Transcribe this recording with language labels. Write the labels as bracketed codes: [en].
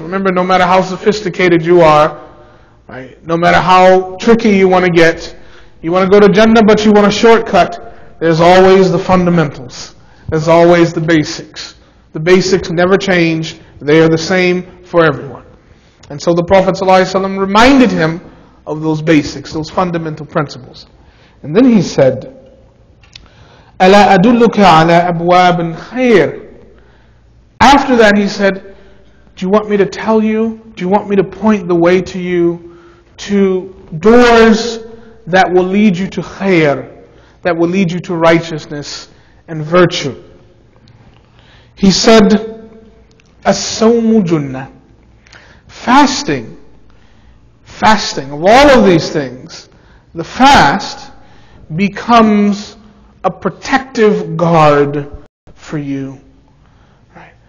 [en] Remember, no matter how sophisticated you are, right, no matter how tricky you want to get, you want to go to Jannah but you want a shortcut, there's always the fundamentals. There's always the basics. The basics never change. They are the same for everyone. And so the Prophet ﷺ reminded him of those basics, those fundamental principles. And then he said, [ar] أَلَا أَدُلُّكَ عَلَىٰ أَبْوَابٍ خَيْرٍ. [en] After that he said, do you want me to tell you? Do you want me to point the way to you to doors that will lead you to khair, that will lead you to righteousness and virtue? He said, [ar] أَسَّوْمُ جُنَّةٍ. [en] Fasting, of all of these things, the fast becomes a protective guard for you. Right.